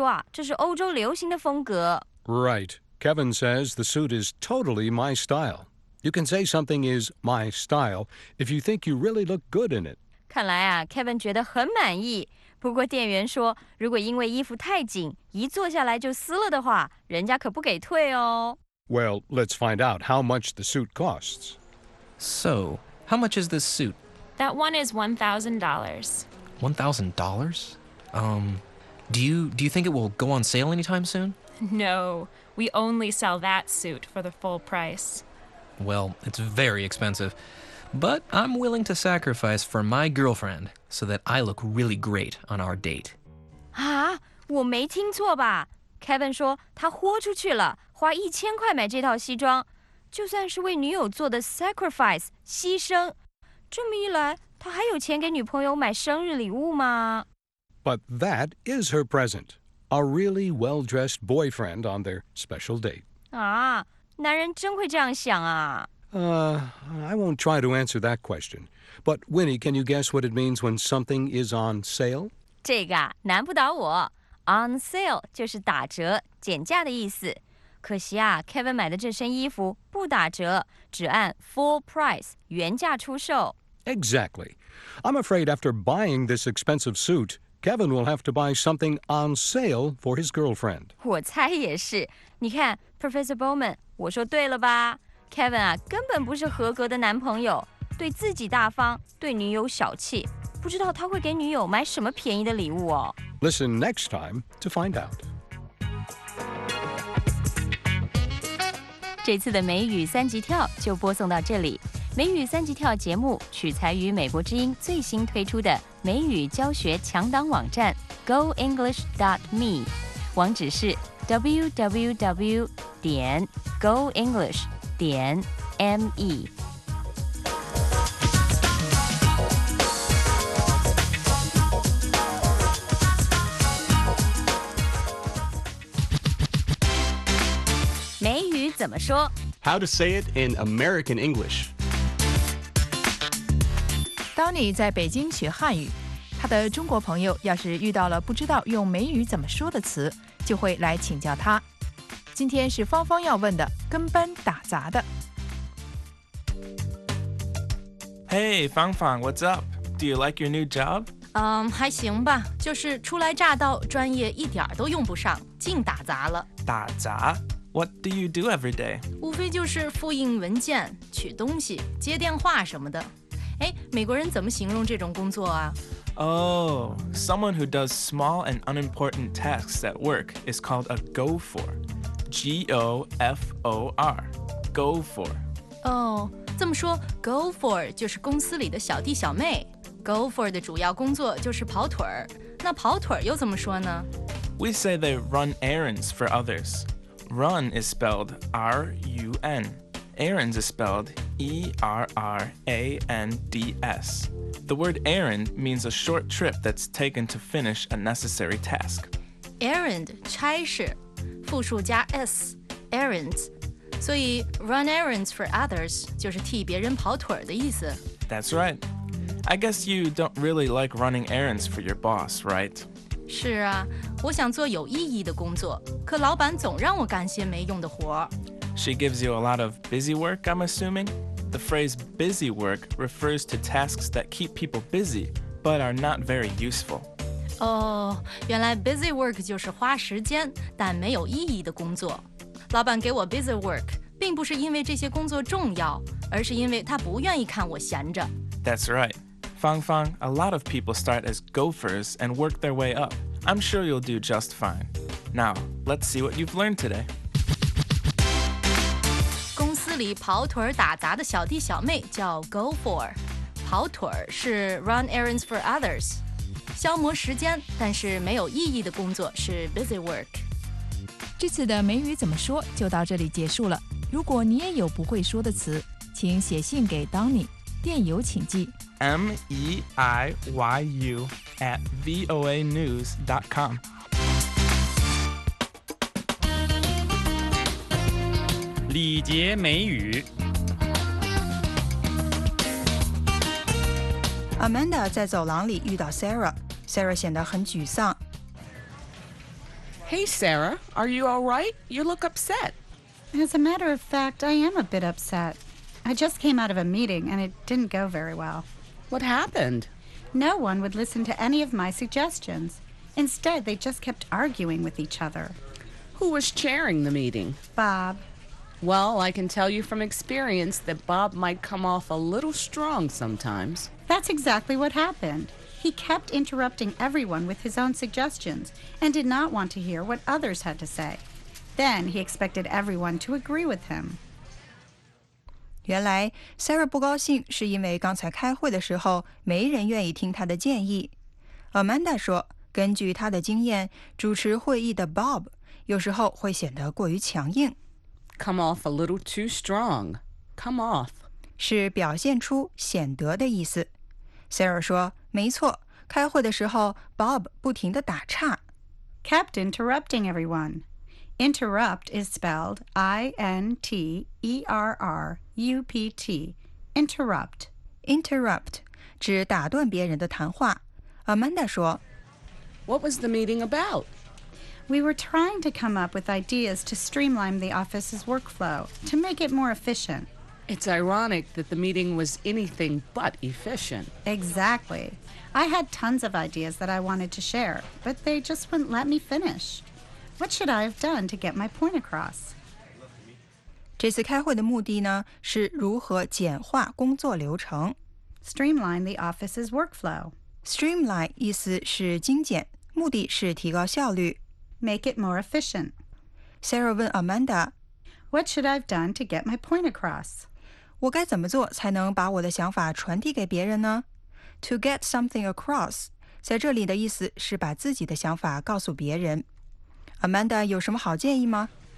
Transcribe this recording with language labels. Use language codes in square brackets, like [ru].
[zh] Kevin的品味好像有问题。店员明明告诉他西装太紧，应该换大一号，可是他却坚持要紧身的，还说啊，这是欧洲流行的风格。 [en] Right, Kevin says the suit is totally my style. You can say something is my style if you think you really look good in it. [zh] 看来啊，Kevin觉得很满意。不过店员说，如果因为衣服太紧，一坐下来就撕了的话，人家可不给退哦。 [en] Well, let's find out how much the suit costs. So, how much is this suit? That one is $1,000. $1,000? Do you think it will go on sale anytime soon? No, we only sell that suit for the full price. Well, it's very expensive, but I'm willing to sacrifice for my girlfriend. So that I look really great on our date. [zh] 啊，我没听错吧？ Kevin 说他豁出去了，花1000块买这套西装，就算是为女友做的 sacrifice 牺牲。这么一来，他还有钱给女朋友买生日礼物吗？ [en] But that is her present, a really well-dressed boyfriend on their special date. [zh] 啊，男人真会这样想啊。 [en] I won't try to answer that question. But Winnie, can you guess what it means when something is on sale? [zh] 这个难不倒我。On sale 就是打折、减价的意思。可惜啊，Kevin买的这身衣服不打折，只按 full price 原价出售。 [en] Exactly. I'm afraid after buying this expensive suit, Kevin will have to buy something on sale for his girlfriend. [zh] 我猜也是。你看，Professor Bowman， 我说对了吧？ Kevin 啊，根本不是合格的男朋友，对自己大方，对女友小气，不知道他会给女友买什么便宜的礼物哦。 [en] Listen next time to find out. [zh] 这次的美语三级跳就播送到这里。美语三级跳节目取材于美国之音最新推出的美语教学强档网站 goenglish.me， 网址是 www.goenglish.me。美语怎么说？ [en] How to say it in American English. [zh] 当你在北京学汉语，他的中国朋友要是遇到了不知道用美语怎么说的词，就会来请教他。今天是芳芳要问的，跟班打杂的。 [en] Hey, 芳芳 what's up? Do you like your new job? [zh] 还行吧，就是初来乍到，专业一点都用不上，净打杂了。 [en] 打杂？What do you do every day? [zh] 无非就是复印文件、取东西、接电话什么的。哎，美国人怎么形容这种工作啊？ [en] Oh, someone who does small and unimportant tasks at work is called a gopher. G-O-F-O-R. Gopher. [zh] Oh, 这么说 gopher 就是公司里的小弟小妹。 Gopher 的主要工作就是跑腿儿。那跑腿儿又怎么说呢？ [en] We say they run errands for others. Run is spelled R-U-N. Errands is spelled E-R-R-A-N-D-S. The word errand means a short trip that's taken to finish a necessary task. [zh] Errand, 差事，复数加 S, errands. 所以 [en] run errands for others [zh] 就是替别人跑腿的意思。 [en] That's right. I guess you don't really like running errands for your boss, right? [zh] 是啊，我想做有意义的工作，可老板总让我干些没用的活。 [en] She gives you a lot of busy work, I'm assuming. The phrase busy work refers to tasks that keep people busy, but are not very useful. [zh] 哦，原来 busy work 就是花时间但没有意义的工作。老板给我 busy work 并不是因为这些工作重要，而是因为他不愿意看我闲着。 [en] That's right. Fang Fang, a lot of people start as gophers and work their way up. I'm sure you'll do just fine. Now, let's see what you've learned today. [zh] 公司里跑腿打杂的小弟小妹叫 gopher. 跑腿是 [en] run errands for others. [zh] 消磨时间但是没有意义的工作是 busy work. 这次的美语怎么说就到这里结束了。如果你也有不会说的词，请写信给 Donny, 电邮请寄。 [en] meiyu@voanews.com [zh] 礼节美语 Amanda 在走廊里遇到 Sarah， Sarah 显得很沮丧。 [en] Hey Sarah, are you all right? You look upset. As a matter of fact, I am a bit upset. I just came out of a meeting and it didn't go very well. What happened? No one would listen to any of my suggestions. Instead, they just kept arguing with each other. Who was chairing the meeting? Bob. Well, I can tell you from experience that Bob might come off a little strong sometimes. That's exactly what happened. He kept interrupting everyone with his own suggestions and did not want to hear what others had to say. Then he expected everyone to agree with him. [zh] 原来 Sarah 不高兴是因为刚才开会的时候没人愿意听她的建议。 Amanda 说，根据她的经验，主持会议的 Bob 有时候会显得过于强硬。 [en] Come off a little too strong. Come off [zh] 是表现出显得的意思。 Sarah 说，没错，开会的时候 Bob 不停地打岔。 [en] Kept interrupting everyone. Interrupt is spelled I-N-T-E-R-R. U-P-T, interrupt. [zh] Interrupt, 指打断别人的谈话。 Amanda 说 [en] What was the meeting about? We were trying to come up with ideas to streamline the office's workflow, to make it more efficient. It's ironic that the meeting was anything but efficient. Exactly. I had tons of ideas that I wanted to share, but they just wouldn't let me finish. What should I have done to get my point across? [zh] 这次开会的目的呢，是如何简化工作流程。 [en] Streamline the office's workflow. [zh] Streamline 意思是精简，目的是提高效率。 [en] Make it more efficient. [zh] Sarah 问 Amanda, [en] What should I have done to get my point across? [zh] 我该怎么做才能把我的想法传递给别人呢？ [en] To get something across， [zh] 在这里的意思是把自己的想法告诉别人。 Amanda 有什么好建议吗？